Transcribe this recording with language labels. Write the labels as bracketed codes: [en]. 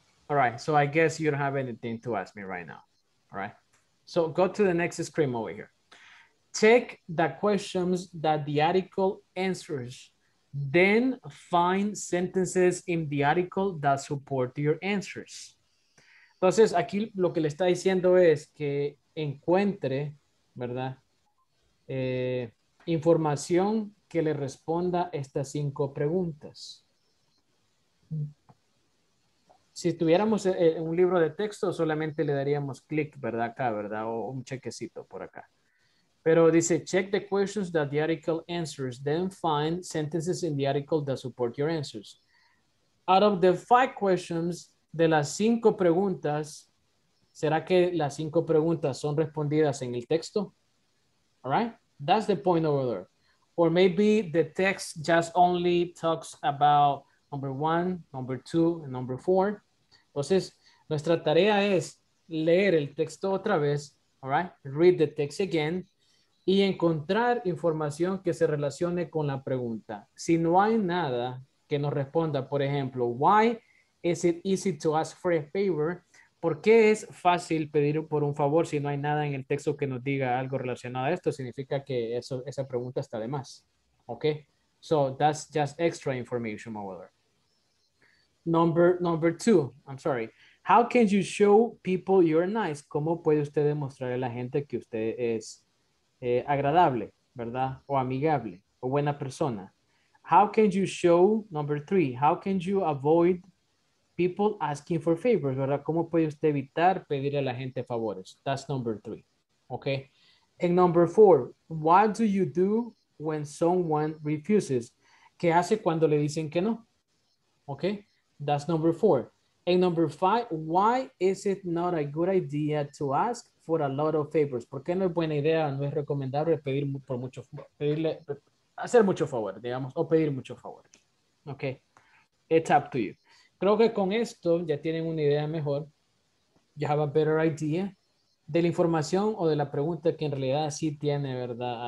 [en] All right. So I guess you don't have anything to ask me right now. All right. So go to the next screen over here. Check the questions that the article answers Then find sentences in the article that support your answers. [es] Entonces, aquí lo que le está diciendo es que encuentre, ¿verdad? Información que le responda estas cinco preguntas. Si tuviéramos un libro de texto, solamente le daríamos clic, ¿verdad? Acá, ¿verdad? O un chequecito por acá. Pero dice, [en] check the questions that the article answers, then find sentences in the article that support your answers. Out of the five questions, [es] de las cinco preguntas, ¿será que las cinco preguntas son respondidas en el texto? [en] All right? That's the point over there. Or maybe the text just only talks about number one, number two, and number four. [es] Entonces, nuestra tarea es leer el texto otra vez, [en] all right? Read the text again. [es] Y encontrar información que se relacione con la pregunta. Si no hay nada que nos responda, por ejemplo, [en] why is it easy to ask for a favor? [es] ¿Por qué es fácil pedir por un favor si no hay nada en el texto que nos diga algo relacionado a esto? Significa que eso, esa pregunta está de más. [en] ¿Ok? So that's just extra information, my brother. Number two. I'm sorry. How can you show people you're nice? [es] ¿Cómo puede usted demostrar a la gente que usted es agradable, ¿verdad? O amigable, o buena persona. [en] How can you show, number three, how can you avoid people asking for favors, [es] ¿verdad? ¿Cómo puede usted evitar pedir a la gente favores? [en] That's number three, okay? And number four, what do you do when someone refuses? [es] ¿Qué hace cuando le dicen que no? [en] Okay, that's number four. And number five, why is it not a good idea to ask for a lot of favors? [es] ¿Por qué no es buena idea, no es recomendable pedir por mucho, pedirle, hacer mucho favor, digamos, o pedir mucho favor? [en] Ok, it's up to you. [es] Creo que con esto ya tienen una idea mejor. [en] You have a better idea [es] de la información o de la pregunta que en realidad sí tiene, ¿verdad?